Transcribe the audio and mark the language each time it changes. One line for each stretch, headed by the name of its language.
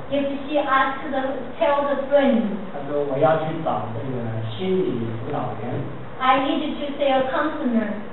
English: If she asks them, tell the friend
Chinese: 他说我要去找这个心理辅导员
English: I need to see a counselor